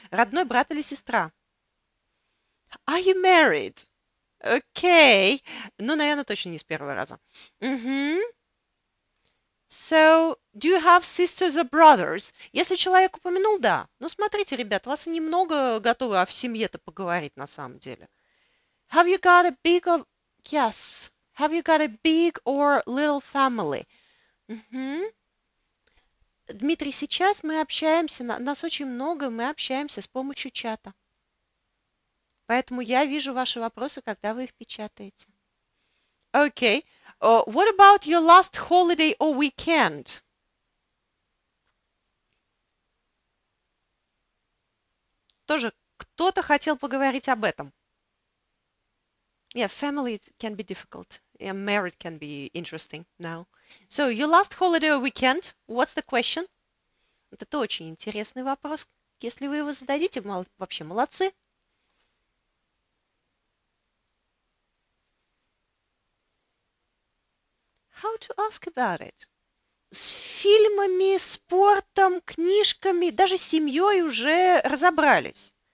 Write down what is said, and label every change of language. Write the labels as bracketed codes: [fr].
[ru] Родной брат или сестра. [en] Are you married? Okay. [ru] Ну, наверное, точно не с первого раза. [en] Mm-hmm. So, do you have sisters or brothers? [ru] Если человек упомянул, да. Ну, смотрите, ребят, вас немного готовы о семье-то поговорить на самом деле. [en] Have you got a big or... Yes. Have you got a big or little family? Mm-hmm. [ru] Дмитрий, сейчас мы общаемся, нас очень много, мы общаемся с помощью чата. Поэтому я вижу ваши вопросы, когда вы их печатаете. [en] Okay. What about your last holiday or weekend? [ru] Тоже кто-то хотел поговорить об этом. [en] Yeah, family can be difficult. Yeah, marriage can be interesting now. So, your last holiday or weekend, what's the question? [ru] Это очень интересный вопрос. Если вы его зададите, вообще молодцы. [en] How to ask about it? [ru] С фильмами, спортом, книжками, даже с семьей уже разобрались.